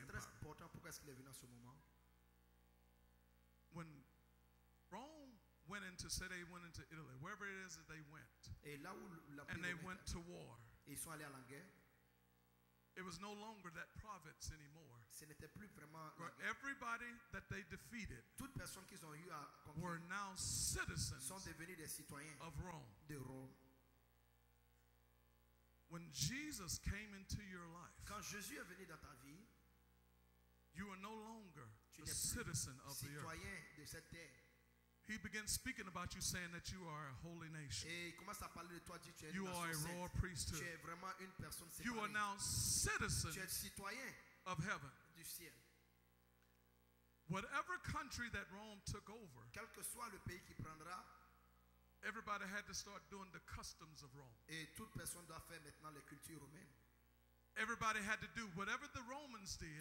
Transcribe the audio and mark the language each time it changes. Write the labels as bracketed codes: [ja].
[fr] Et c'est très important pourquoi est-ce qu'il est venu à ce moment. [en] When Rome went into, say they went into Italy, wherever it is that they went, [fr] et là où [en] and they went to war, [fr] ils sont allés à la guerre. [en] It was no longer that province anymore. [fr] Ce n'était plus vraiment la guerre. [en] Everybody that they defeated [fr] toute personne qu'ils ont eu à conquérir [en] were now citizens [fr] sont devenus des citoyens [en] of Rome. [fr] De Rome. [en] When Jesus came into your life, [fr] quand Jésus est venu dans ta vie, [en] you are no longer a citizen of the earth. [fr] Citoyen de cette terre. [en] He begins speaking about you saying that you are a holy nation. [fr] Et à parler de toi, dit, tu es [en] you [fr] une [en] are a royal priesthood. [fr] Tu es vraiment une personne [en] you are now citizens [fr] tu es citoyen [en] of heaven. [fr] Du ciel. [en] Whatever country that Rome took over, [fr] quel que soit le pays qui prendra, [en] everybody had to start doing the customs of Rome. [fr] Et toute personne doit faire maintenant les cultures romaines. [en] Everybody had to do whatever the Romans did.